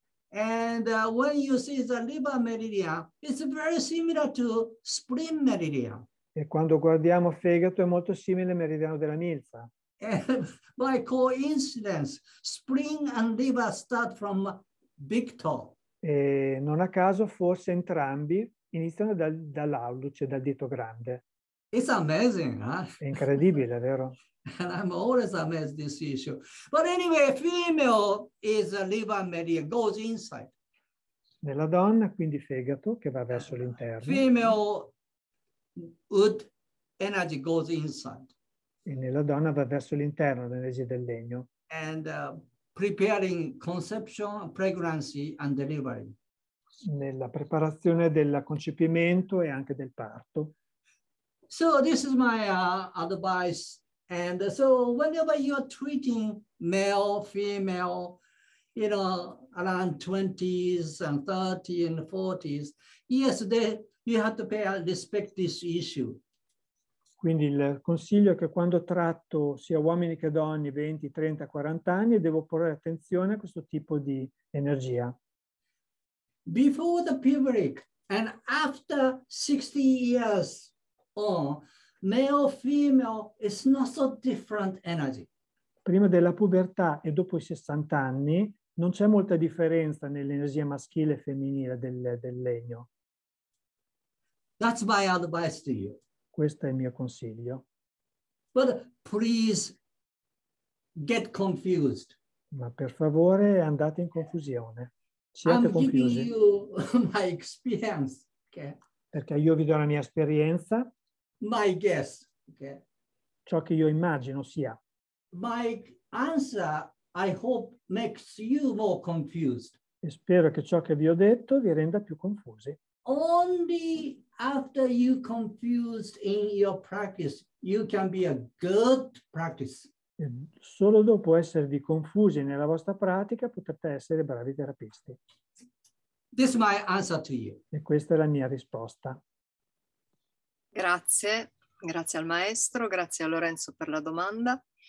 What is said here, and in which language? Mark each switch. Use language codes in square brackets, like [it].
[en] And when you see the liver meridian, it's very similar to spleen meridian. [it] E quando guardiamo fegato è molto simile al meridiano della milza. [en] By coincidence, spleen and liver start from big toe. [it] E non a caso forse entrambi iniziano dall'alluce, dal dito grande. [en] It's amazing, huh? [it] È incredibile, vero? [en] And I'm always amazed this issue. But anyway, female is a liver meridian, goes inside. [it] Nella donna, quindi fegato, che va verso l'interno. [en] Female wood energy goes inside. [it] E nella donna va verso l'interno, l'energia del legno. [en] And preparing conception, pregnancy and delivery. [it] Nella preparazione del concepimento e anche del parto. [en] So this is my advice. And so whenever you are treating male, female, you know, around 20s and 30s and 40s, yes, you have to pay respect this issue. [it] Quindi il consiglio è che quando tratto sia uomini che donne, 20, 30, 40 anni, devo porre attenzione a questo tipo di energia. [en] Before the puberty and after 60 years on, male, female is not so different energy. [it] Prima della pubertà e dopo i 60 anni non c'è molta differenza nell'energia maschile e femminile del legno. [en] That's my advice to you. [it] Questo è il mio consiglio. [en] But please get confused. [it] Ma per favore andate in confusione. Siate [en] I'm [it] confusi. [en] Giving you my experience. Okay. [it] Perché io vi do la mia esperienza. [en] My guess, okay. [it] Ciò che io immagino sia. [en] My answer, I hope, makes you more confused. [it] E spero che ciò che vi ho detto vi renda più confusi. [en] Only after you confused in your practice, you can be a good practice. [it] E solo dopo esservi confusi nella vostra pratica potete essere bravi terapisti. [en] This is my answer to you. [it] E questa è la mia risposta. Grazie, grazie al maestro, grazie a Lorenzo per la domanda.